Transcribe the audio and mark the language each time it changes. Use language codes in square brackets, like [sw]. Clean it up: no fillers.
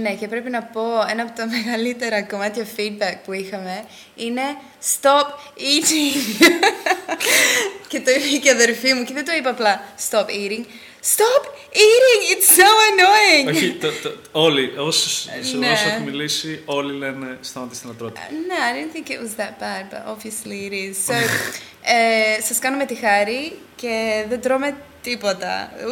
[el] Ναι, και πρέπει να πω, ένα από τα μεγαλύτερα κομμάτια feedback που είχαμε είναι [en] stop eating. [el] Και το είπε και η αδερφή μου και δεν το είπα απλά [en] stop eating. Stop eating, it's so annoying. [el] Όχι, όλοι, όσους έχουν μιλήσει, όλοι λένε σταματήστε να τρώτε. Ναι, [en] I didn't think it was that bad, but obviously it is. So, [el] σας κάνουμε τη χάρη και δεν τρώμε τίποτα.